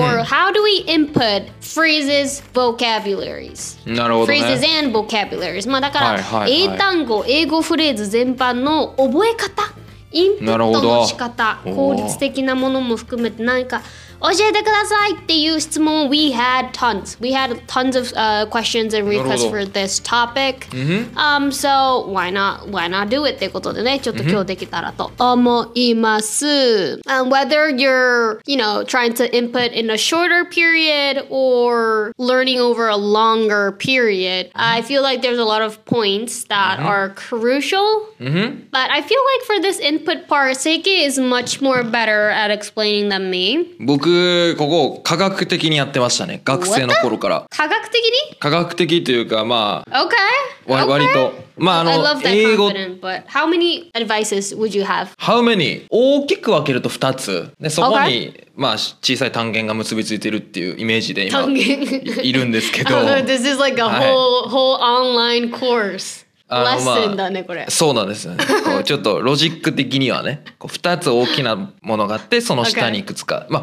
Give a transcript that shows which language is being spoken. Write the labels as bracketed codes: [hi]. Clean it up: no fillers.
[en] or how do we input phrases, vocabularies [ja] なるほどね [en] phrases and vocabularies Vocabularies. [ja] まあだから英単語、英語フレーズ全般の覚え方、インプットの仕方、効率的なものも含めて何か教えてくださいっていう質問 [en] We had tons. We had tons of、questions and requests for this topic.、 Mm-hmm. So why not do it? [ja] ってことでね、ちょっと今日できたらと思います。 [en] Whether you're, you know, trying to input in a shorter period or learning over a longer period,、mm-hmm. I feel like there's a lot of points that、mm-hmm. are crucial.、 Mm-hmm. But I feel like for this input part, Seiki is much more better at explaining than me. [ja] 僕ここ科学的にやってましたね学生の頃から科学的に科学的というかまあ [en] OK [ja] 割と、まあ、あの [en] I love that 英語 but How many advices would you have? How many? [ja] 大きく分けると2つでそこに、 [en] okay. [ja] まあ小さい単元が結びついてるっていうイメージで今単元いるんですけど [en] This is like a whole online course [ja] レッスンだね、まあ、これそうなんですよねこうちょっとロジック的にはねこう2つ大きなものがあってその下にいくつか、 [en] okay.